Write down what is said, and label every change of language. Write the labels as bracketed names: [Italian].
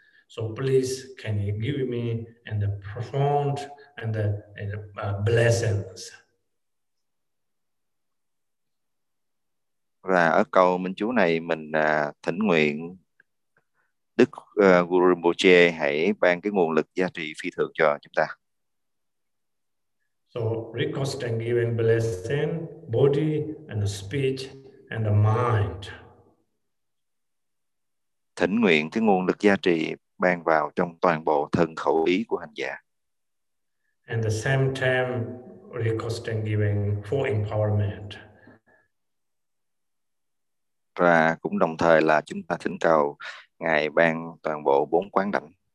[English] So please, can you give me and the profound and the blessings? [Vietnamese] Và ở câu minh chú này mình thỉnh nguyện Đức Guru Rinpoche hãy ban cái nguồn lực gia trì phi thường cho chúng ta. [English] So request and giving blessing, body and the speech and the mind. [Vietnamese] Thỉnh nguyện cái nguồn lực gia trì ban vào trong toàn bộ thân khẩu ý của hành giả. [English] And the same time, requesting giving for empowerment. [Vietnamese] Và cũng đồng thời là chúng ta thỉnh cầu ngài ban toàn bộ bốn quán đảnh.